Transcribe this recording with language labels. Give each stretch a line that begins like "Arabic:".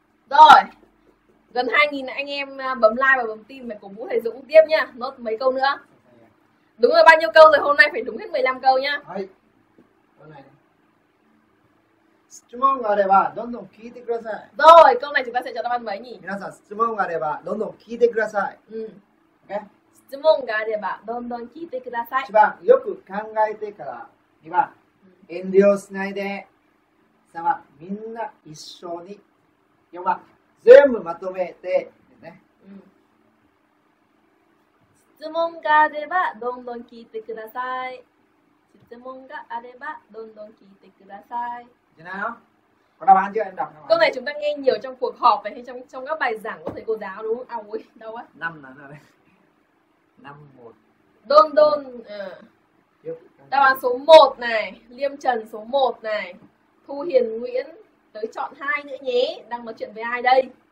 Vietnamese: rồi, gần 2000 anh em bấm like và bấm tin mà cổ vũ thầy Dũng tiếp nhá. Nốt mấy câu nữa. Đúng rồi, bao nhiêu câu rồi? Hôm nay phải đúng hết 15 câu nhá. Hay. Câu này.
Japanese: Sumon ga areba dondon kiite kudasai.
Vietnamese: Rồi, câu này chúng ta sẽ cho đáp án mấy nhỉ?
Japanese: Minasan, sumon ga areba dondon kiite kudasai.
Vietnamese: Ừ. Ok.
Japanese: 質問があればどんどん聞いてください。 1番よく考えてから、2番遠慮しないで、3番みんな一緒に、4番全部まとめて、ね、うん、質問があればどんどん聞いてください。質問があればどんどん聞いてください。
Vietnamese: じゃあ đáp án chưa em đọc câu này chúng ta nghe nhiều trong cuộc họp và hay trong các bài giảng của thầy cô giáo đúng không? Ôi đâu á, năm là đây, năm một đôn đôn đáp án số 1 này, Liêm Trần số 1 này, Thu Hiền Nguyễn tới chọn 2 nữa nhé, đang nói chuyện với ai đây?